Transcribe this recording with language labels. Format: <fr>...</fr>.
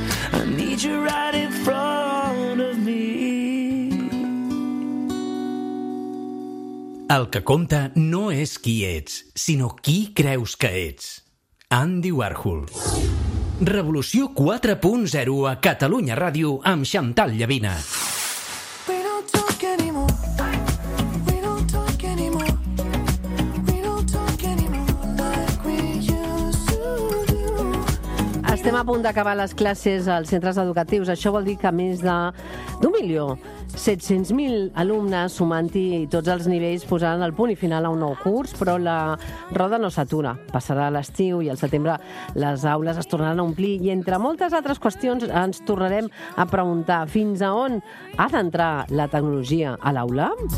<en>I need you right in front of me.</en> <ca>El que compta no és qui ets, sinó qui creus que ets. Andy Warhol. Revolució 4.0 a Catalunya Ràdio amb Chantal Llavina.</ca> <en>We don't talk anymore. We don't talk anymore. We don't talk anymore like we used to do.</en> <ca>Estem a punt d'acabar les classes als centres educatius. Això vol dir que més d'un milió 700.000 alumnes sumant-hi i tots els nivells posaran el punt i final a un nou curs, però la roda no s'atura. Passarà l'estiu i al setembre les aules es tornaran a omplir i entre moltes altres qüestions ens tornarem a preguntar fins a on ha d'entrar la tecnologia a l'aula?</ca>